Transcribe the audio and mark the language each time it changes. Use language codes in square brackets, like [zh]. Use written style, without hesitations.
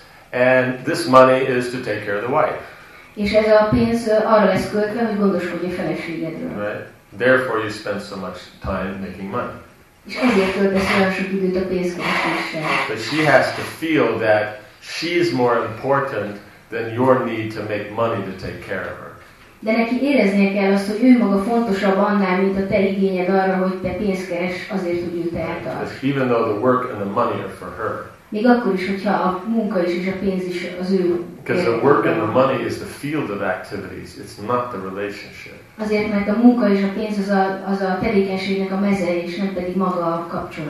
[en] And this money is to take care of the wife. [hu] És ez a pénz arra lesz költve, hogy gondoskodj a feleségedről. [en] Right. Therefore you spend so much time making money. [hu] És ezért költesz olyan sok időt a pénz keresésre. [en] But she has to feel that she is more important than your need to make money to take care of her. [hu] De neki éreznie kell azt, hogy ő maga fontosabb annál, mint a te igényed arra, hogy te pénzt keres azért, hogy őt eltart. [en] Even though the work and the money are for her. [hu] Még akkor is, hogyha a munka is és a pénz is az ő. [en] Because the work and the money is the field of activities. It's not the relationship. [hu] Azért, mert a munka és a pénz az a tevékenységnek a meze, és nem pedig maga a kapcsolat.